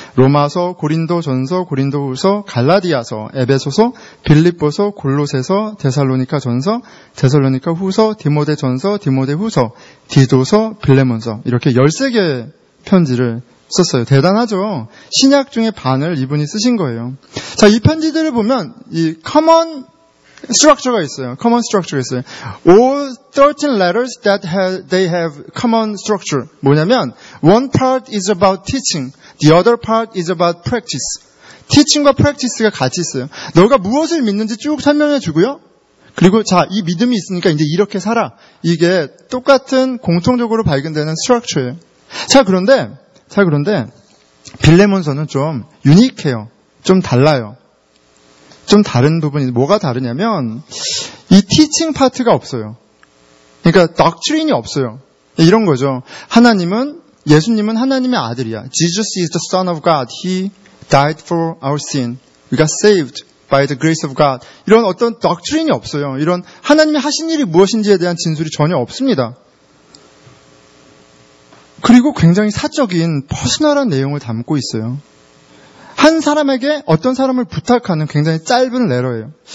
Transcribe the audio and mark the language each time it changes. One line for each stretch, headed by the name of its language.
Korean: 로마서, 고린도전서, 고린도후서, 갈라디아서, 에베소서, 빌립보서, 골로새서, 데살로니카전서, 데살로니카후서, 디모데전서, 디모데후서, 디도서, 빌레몬서. 이렇게 13개의 편지를 썼어요. 대단하죠? 신약 중에 반을 이분이 쓰신 거예요. 자, 이 편지들을 보면 이 커먼 structure가 있어요. Common structure가 있어요.
English: All 13 letters that they have common structure.
Korean: 뭐냐면,
English: one part is about teaching, the other part is about practice.
Korean: teaching과 practice가 같이 있어요. 너가 무엇을 믿는지 쭉 설명해 주고요. 그리고 자, 이 믿음이 있으니까 이제 이렇게 살아. 이게 똑같은 공통적으로 발견되는 structure예요. 자, 그런데, 빌레몬서는 좀 유니크해요. 좀 달라요. 좀 다른 부분이 뭐가 다르냐면 이 티칭 파트가 없어요. 그러니까 doctrine이 없어요. 이런 거죠. 예수님은 하나님의 아들이야.
English: Jesus is the son of God. He died for our sin. We got saved by the grace of God.
Korean: 이런 어떤 doctrine이 없어요. 이런 하나님이 하신 일이 무엇인지에 대한 진술이 전혀 없습니다. 그리고 굉장히 사적인 퍼스널한 내용을 담고 있어요. 한 사람에게 어떤 사람을 부탁하는 굉장히 짧은 레터예요.